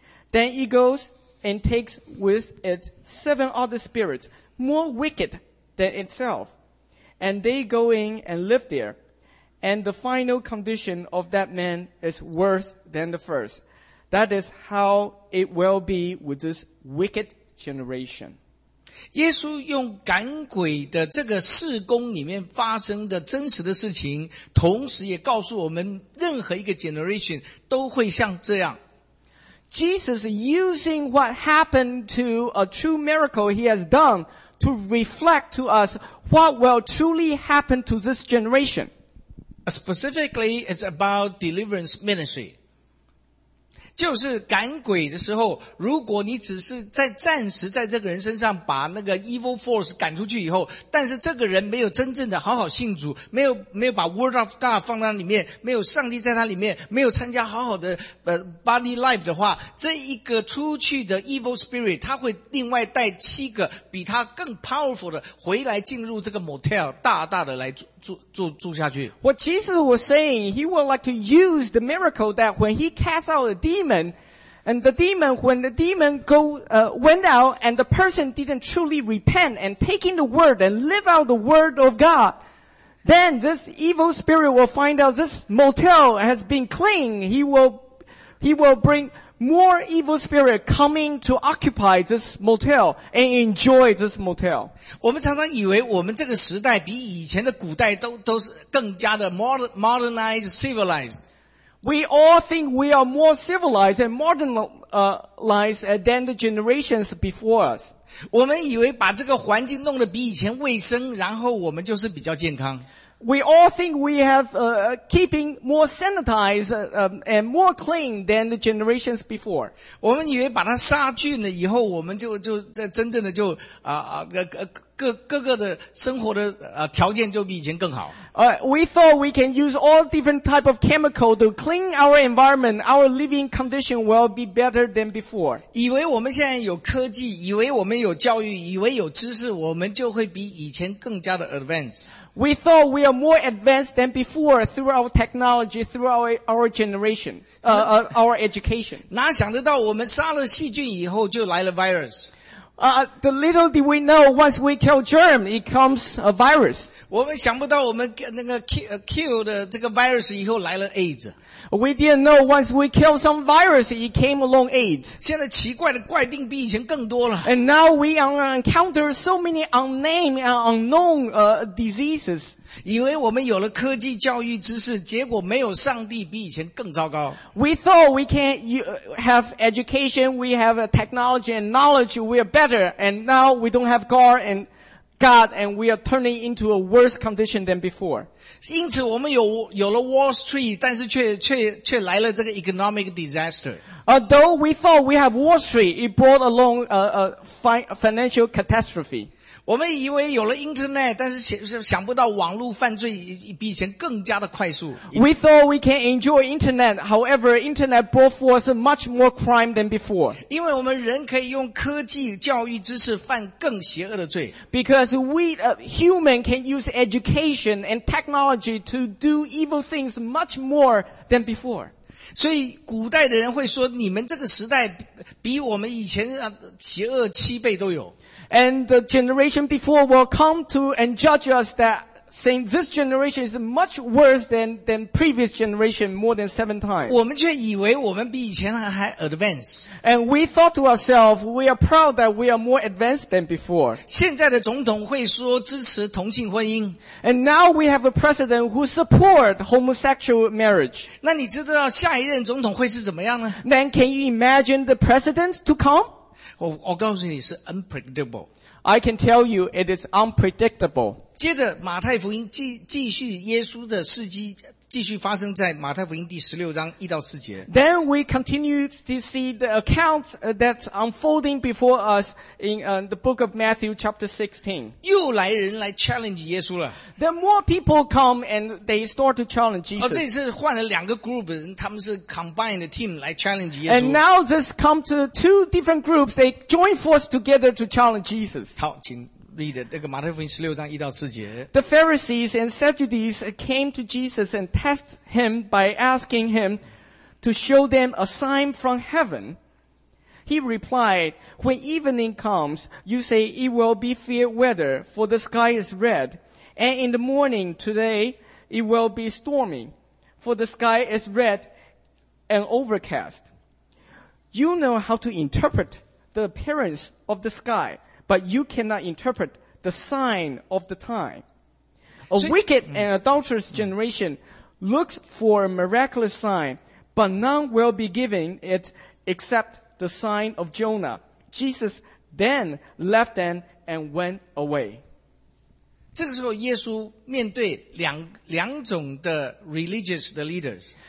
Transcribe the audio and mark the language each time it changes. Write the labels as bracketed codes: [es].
[en] Then he goes and takes with it seven other spirits, more wicked than itself. And they go in and live there. And the final condition of that man is worse than the first. That is how it will be with this wicked generation. [zh] 耶稣用赶鬼的这个事工里面发生的真实的事情，同时也告诉我们任何一个 [en] generation [zh] 都会像这样。 [en] Jesus using what happened to a true miracle he has done to reflect to us what will truly happen to this generation. Specifically, it's about deliverance ministry. [zh] 就是赶鬼的时候，如果你只是在暂时在这个人身上把那个 [en] evil force [zh] 赶出去以后，但是这个人没有真正的好好信主，没有把 [en] word of God [zh] 放在里面，没有上帝在他里面，没有参加好好的 [en] body life [zh] 的话，这一个出去的 [en] evil spirit [zh] 他会另外带七个比他更 [en] powerful [zh] 的回来进入这个 [en] motel [zh] 大大的来住下去。 [en] What Jesus was saying, he would like to use the miracle that when he cast out a demon, and the demon, when the demon went out, and the person didn't truly repent and taking the word and live out the word of God, then this evil spirit will find out this motel has been clean. He will bring more evil spirit coming to occupy this motel and enjoy this motel. [zh] 我们常常以为我们这个时代比以前的古代都是更加的 [en] modernized, civilized. We all think we are more civilized and modernized than the generations before us. [zh] 我们以为把这个环境弄得比以前卫生，然后我们就是比较健康。 [en] We all think we have keeping more sanitized and more clean than the generations before. [zh] 我们以为把它杀菌了以后，我们就在真正的就各个的生活的条件就比以前更好。 [en] We thought we can use all different type of chemical to clean our environment. Our living condition will be better than before. [zh] 以为我们现在有科技，以为我们有教育，以为有知识，我们就会比以前更加的 [en] advanced. We thought we are more advanced than before through our technology, through our generation, our education. [zh] 哪想得到我们杀了细菌以后就来了 virus? [en] The little did we know, once we kill germ, it comes a virus. [zh] 我们想不到我们那个 [en] kill [zh] 的这个 virus 以后来了 AIDS. [en] We didn't know once we kill some virus, it came along AIDS. [zh] 现在奇怪的怪病比以前更多了。 [en] And now we encounter so many unnamed and unknown diseases. [zh] 以为我们有了科技教育知识，结果没有上帝比以前更糟糕。 [en] We thought we can have education, we have a technology and knowledge, we are better, and now we don't have God, and we are turning into a worse condition than before. [zh] 因此我们有了 Wall Street, 但是却来了这个 [en] economic disaster. Though we thought we have Wall Street, it brought along a financial catastrophe. [zh] 我们以为有了 Internet, 但是想不到网络犯罪比以前更加的快速。 [en] We thought we can enjoy Internet, however, Internet brought forth much more crime than before. [zh] 因为我们人可以用科技教育知识犯更邪恶的罪。 [en] Because human can use education and technology to do evil things much more than before. [zh] 所以古代的人会说你们这个时代比我们以前邪恶七倍都有。 [en] And the generation before will come to and judge us that saying this generation is much worse than previous generation more than 7 times. [zh] 我们却以为我们比以前还 [en] advanced. And we thought to ourselves, we are proud that we are more advanced than before. [zh] 现在的总统会说支持同性婚姻。 [en] And now we have a president who support homosexual marriage. [zh] 那你知道下一任总统会是怎么样呢？ [en] Then can you imagine the president to come? [zh] 我告诉你是 [en] unpredictable. I can tell you it is unpredictable. [zh] 接着马太福音继续耶稣的事迹继续发生在马太福音第16章1到4节。 [en] Then we continue to see the account that's unfolding before us in the book of Matthew chapter 16. [zh] 又来人来 [en] challenge [zh] 耶稣了。 [en] Then more people come and they start to challenge Jesus. [zh] 这次换了两个 [en] group, [zh] 他们是 [en] combined team [zh] 来 [en] challenge [zh] 耶稣。 [en] And now this comes to two different groups, they join force together to challenge Jesus. [zh] 好请马太福音16章1到4节 [en] The Pharisees and Sadducees came to Jesus and test him by asking him to show them a sign from heaven. He replied, When evening comes, you say it will be fair weather, for the sky is red. And in the morning today, it will be stormy, for the sky is red and overcast. You know how to interpret the appearance of the sky. But you cannot interpret the sign of the time. A wicked and adulterous generation looks for a miraculous sign, but none will be given it except the sign of Jonah. Jesus then left them and went away. [zh] 这个时候耶稣面对两种的 [en] religious [zh] 的 [en] leaders.